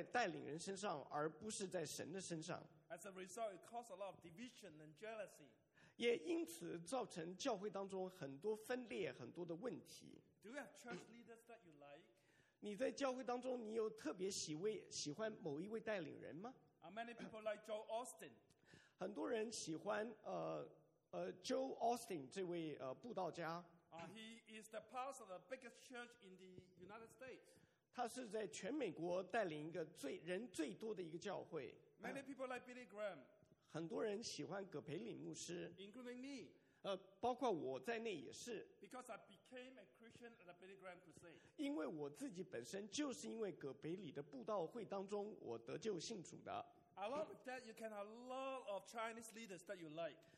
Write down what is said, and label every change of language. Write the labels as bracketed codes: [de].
[zh] 很多教会把他们的重心以及他们所崇拜的对象放在带领人身上，而不是在神的身上。 [en] As a result, it caused a lot of division and jealousy. [zh] 也因此造成教会当中很多分裂，很多的问题。 [en] Do you have church leaders that you like? [zh] 你在教会当中，你有特别喜欢某一位带领人吗？ [en] Are many people like Joel Austin? [zh] 很多人喜欢Joel Austin 这位布道家。 [en] He is the pastor of the biggest church in the United States. [zh] 他是在全美国带领一个人最多的一个教会。 [en] Many people like Billy Graham. [zh] 很多人喜欢葛培里牧师。 [en] Including me. [zh] 包括我在内也是。 [en] Because I became a Christian at the Billy Graham Crusade. [zh] 因为我自己本身就是因为葛培里的布道会当中我得救信主的。 [en] Along with that, you can have a lot of Chinese leaders that you like.